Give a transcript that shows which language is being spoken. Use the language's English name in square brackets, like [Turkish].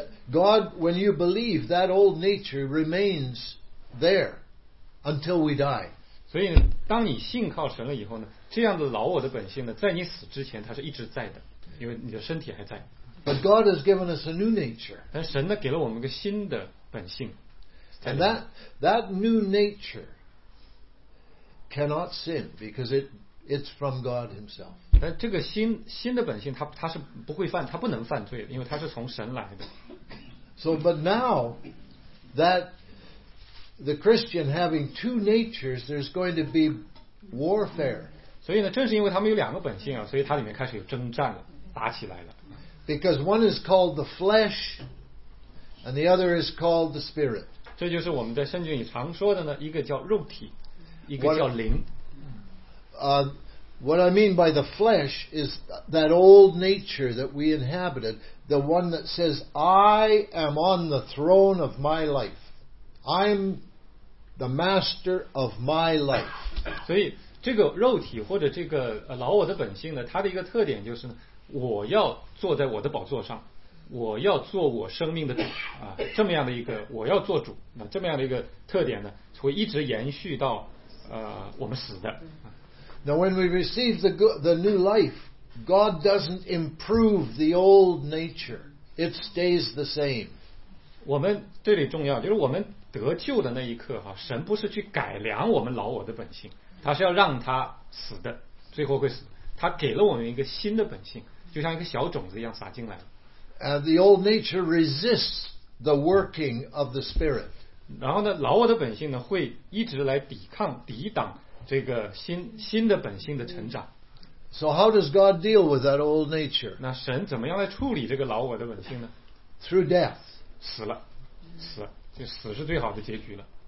[English] God, when you believe, that old nature remains there until we die. [Chinese] 所以呢，当你信靠神了以后呢，这样的老我的本性呢，在你死之前，它是一直在的，因为你的身体还在。 [English] But God has given us a new nature. [Chinese] 但神呢，给了我们一个新的本性。 [English] And that new nature cannot sin because it It's from God himself. [Chinese] 但这个心心的本性它是不会犯它不能犯罪的因为它是从神来的。 [English] So, but now that the Christian having two natures, there's going to be warfare. [Chinese] 所以呢正是因为他们有两个本性啊所以它里面开始有征战了打起来了。 [English] Because one is called the flesh and the other is called the spirit. [Chinese] 这就是我们在圣经里常说的呢一个叫肉体一个叫灵。 [English] What I mean by the flesh is that old nature that we inhabited, the one that says, I am on the throne of my life. I'm the master of my life. [Chinese] 所以这个肉体或者这个老我的本性呢，它的一个特点就是我要坐在我的宝座上，我要做我生命的主啊，这么样的一个我要做主，那这么样的一个特点呢，会一直延续到我们死的。 [English] Now when we receive the new life, God doesn't improve the old nature. It stays the same. [Chinese] 我们这里重要就是我们得救的那一刻哈，神不是去改良我们老我的本性，他是要让他死的，最后会死。他给了我们一个新的本性，就像一个小种子一样撒进来了。 [English] And the old nature resists the working of the Spirit. [Chinese] 然后呢，老我的本性呢，会一直来抵抗、抵挡。这个新的本性的成长。 [English] So how does God deal with that old nature? [Chinese] 那神怎么样来处理这个老我的本性呢？ [English] Through death. [Chinese] 死了，死了，就死是最好的结局了。